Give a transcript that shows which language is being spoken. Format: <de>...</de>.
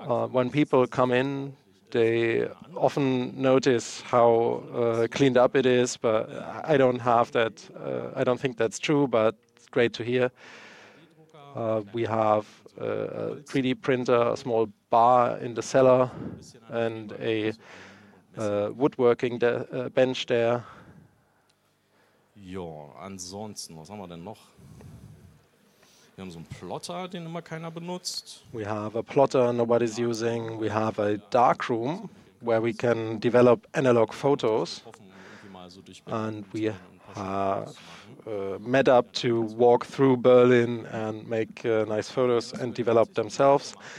<en>When people come in, they often notice how cleaned up it is, but I don't have that. I don't think that's true, but it's great to hear. We have a 3D printer, a small bar in the cellar, and a woodworking bench there.</en> <de>Ja, ansonsten, was haben wir denn noch? Wir haben so einen Plotter, den immer keiner benutzt.</de> <en>We have a plotter nobody's using. We have a darkroom where we can develop analog photos. And we have met up to walk through Berlin and make nice photos and develop themselves.</en>